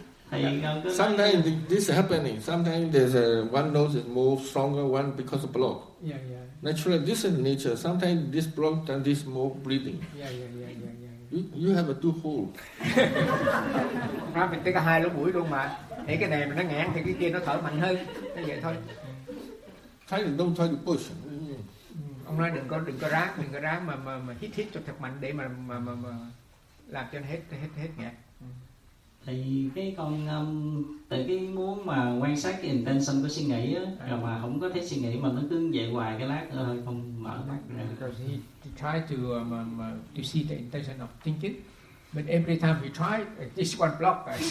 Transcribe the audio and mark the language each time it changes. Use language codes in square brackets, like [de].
[en] Sometimes this is happening. Sometimes there's one nose is more stronger, one because of block. Yeah, yeah. Naturally, this is nature. Sometimes this block and this more breathing. Yeah. You have a two hole. [vi] Mình tới cả hai lỗ mũi luôn mà. Thì cái này mà nó ngán thì cái kia nó thở mạnh hơn. Như vậy thôi. [en] Don't try to push. [vi] Ông nói đừng có ráng mà hít cho thật mạnh để mà làm cho nó hết ngán. Thì cái con từ cái muốn mà quan sát cái intention của suy nghĩ á, rồi mà không có thấy suy nghĩ mà nó cứ vậy hoài, cái lát thôi con mở mắt ra. [en] Because he try to see the intention of thinking, but every time he try this one block,